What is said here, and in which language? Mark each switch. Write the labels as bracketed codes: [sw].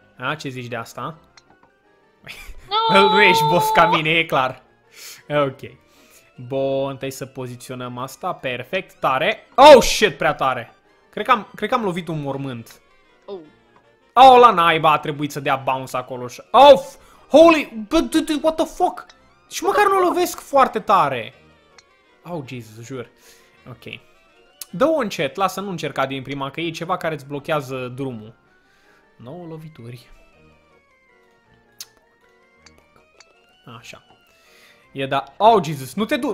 [ro] A, ce zici de asta? No! Nu ești boss ca mine, e clar. Ok. Bun, trebuie să poziționăm asta. Perfect, tare. [en] Oh, shit, [ro] prea tare. Cred că am lovit un mormânt. Oh. Oh, la naiba, a trebuit să dea bounce acolo. [en] Oh, holy, but what the fuck? [ro] Și măcar nu lovesc foarte tare. [en] Oh, Jesus, [ro] jur. Ok. Dă-o încet, lasă, nu încerca din prima, că e ceva care îți blochează drumul. 9 lovituri. Așa. E da... [en] Oh, Jesus, [ro] nu te du...